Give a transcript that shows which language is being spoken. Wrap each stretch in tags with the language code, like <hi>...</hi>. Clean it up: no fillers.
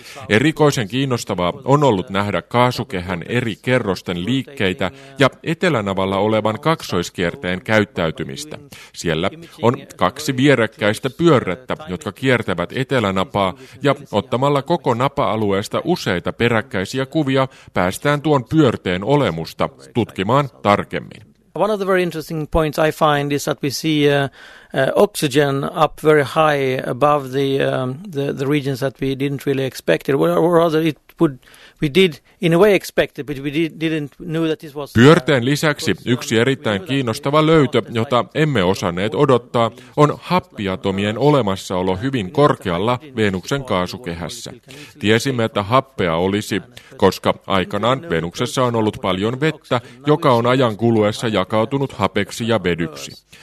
<fi>Erikoisen kiinnostavaa on ollut nähdä kaasukehän eri kerrosten liikkeitä ja etelänavalla olevan kaksoiskierteen käyttäytymistä. Siellä on kaksi vierekkäistä pyörrettä, jotka kiertävät etelänapaa, ja ottamalla koko napa-alueesta useita peräkkäisiä kuvia päästään tuon pyörteen olemusta tutkimaan tarkemmin.</fi> <en>One of the very interesting points I find is that we see oxygen up very high above the regions that we didn't really expect it. Or rather it would we did in a way expect it, but we didn't know that this was.</en> <fi>Pyörteen lisäksi yksi erittäin kiinnostava löytö, jota emme osanneet odottaa, on happiatomien olemassaolo hyvin korkealla Venuksen kaasukehässä. Tiesimme, että happea olisi, koska aikanaan Venuksessa on ollut paljon vettä, joka on ajan kuluessa jakautunut hapeksi ja vedyksi.</fi>